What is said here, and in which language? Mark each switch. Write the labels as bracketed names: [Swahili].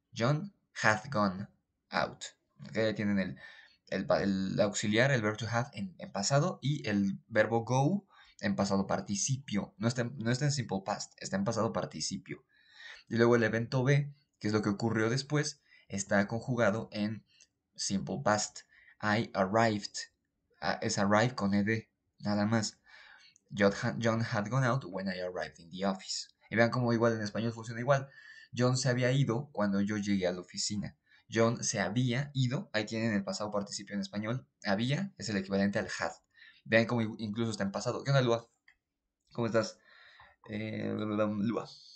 [English] John had gone out. [Spanish] ¿Okay? Ahí tienen el auxiliar, el verbo to have en pasado y el verbo go en pasado participio. No está en simple past, está en pasado participio. Y luego el evento B, que es lo que ocurrió después, está conjugado en simple past. [English] I arrived. [Spanish] Es arrive con ED, nada más. [English] John had gone out when I arrived in the office. [Spanish] Y vean cómo igual en español funciona igual. John se había ido cuando yo llegué a la oficina. John se había ido. Ahí tienen el pasado participio en español. Había es el equivalente al had. Vean cómo incluso está en pasado. ¿Qué onda, Lua? ¿Cómo estás? Lua.